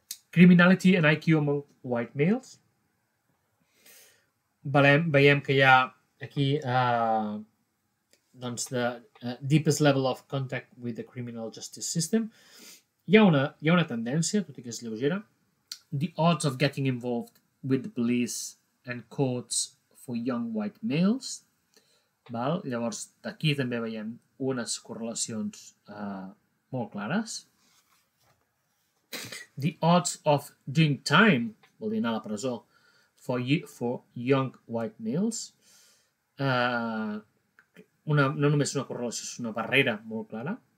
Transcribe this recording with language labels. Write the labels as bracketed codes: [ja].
[en] Criminality and IQ among white males. [ca] Veiem que hi ha aquí [en] the deepest level of contact with the criminal justice system. [ca] Hi ha una tendència, tot i que és lleugera. [en] The odds of getting involved with the police and courts for young white males. [ca] Val? Llavors, aquí també veiem unes correlacions molt clares. [en] The odds of doing time, [ca] vol dir anar a la presó, [en] for young white males. [ca] No només una correlació, és una barrera molt clara.